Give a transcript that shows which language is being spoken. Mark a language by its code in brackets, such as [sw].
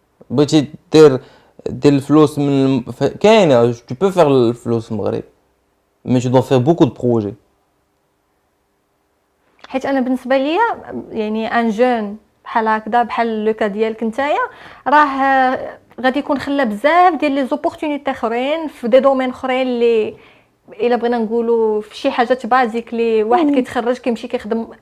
[ar] بغيتي دير دير الفلوس من كاينه. [fr] Tu peux faire [ar] الفلوس في المغرب [fr] mais tu dois faire beaucoup de projets. [ar] حيت انا بالنسبه ليا يعني ان جون بحال هكذا بحال لوكا ديالك نتايا راه غادي يكون خلى بزاف ديال لي زوبورتونيتي اخرين في دي دومين اخرين اللي الا بغينا نقولوا في شي حاجه بازيك لي واحد كيتخرج كيمشي كيخدم